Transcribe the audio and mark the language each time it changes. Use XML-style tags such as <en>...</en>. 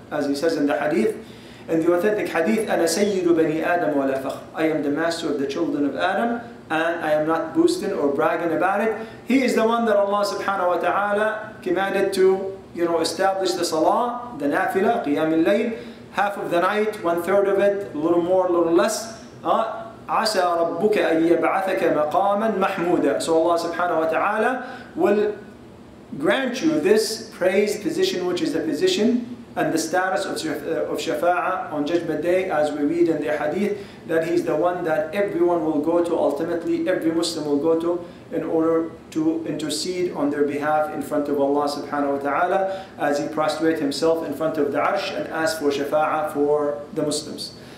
<en>As he says in the hadith, in the authentic hadith,</en> <ar>أنا سيد بني آدم ولا فخر.</ar> <en>I am the master of the children of Adam, and I am not boasting or bragging about it. He is the one that Allah subhanahu wa ta'ala commanded to, establish the salah, the nafila, qiyam al-layl, half of the night, one third of it, a little more, a little less.</en> <ar>عَسَى رَبُّكَ أَن يَبْعَثَكَ مَقَامًا مَحْمُودًا.</ar> <en>So Allah subhanahu wa ta'ala will grant you this praised position, which is the position and the status of Shafa'ah on Judgment Day, as we read in the hadith, that he's the one that everyone will go to, ultimately every Muslim will go to, in order to intercede on their behalf in front of Allah subhanahu wa ta'ala, as he prostrate himself in front of the Arsh and ask for Shafa'ah for the Muslims.</en>